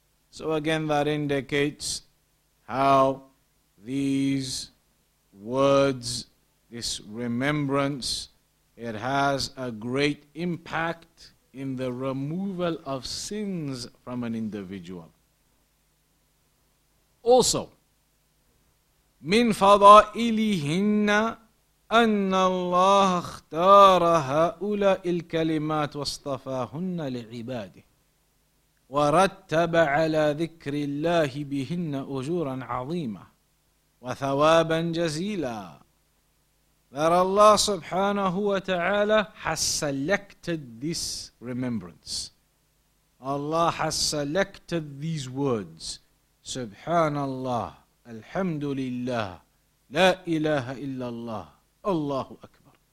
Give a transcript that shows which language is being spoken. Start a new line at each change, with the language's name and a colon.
English: So again, that indicates how these words, this remembrance, it has a great impact in the removal of sins from an individual.
Arabic: Also, من فضائلهن أن الله اختار هؤلاء الكلمات واصطفاهن لعباده ورتب على ذكر الله بهن أجورا عظيمة وثوابا جزيلا.
English: That Allah subhanahu wa ta'ala has selected this remembrance. Allah has selected these words. Subhanallah, Alhamdulillah, La ilaha illallah, Allahu Akbar.